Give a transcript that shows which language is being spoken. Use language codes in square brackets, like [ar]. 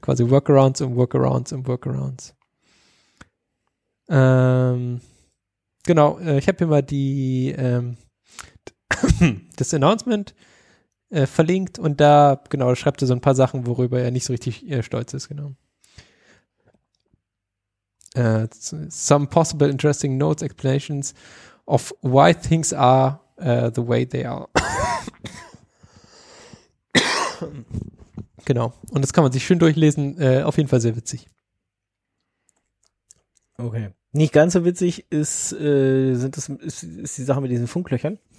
[de] Quasi Workarounds um Workarounds um Workarounds. Genau, ich habe hier mal die das Announcement verlinkt und da, genau, da schreibt er so ein paar Sachen, worüber er nicht so richtig stolz ist, genau. [en] Some possible interesting notes, explanations of why things are the way they are. [de] Genau, und das kann man sich schön durchlesen, auf jeden Fall sehr witzig. Okay. Nicht ganz so witzig ist die Sache mit diesen Funklöchern.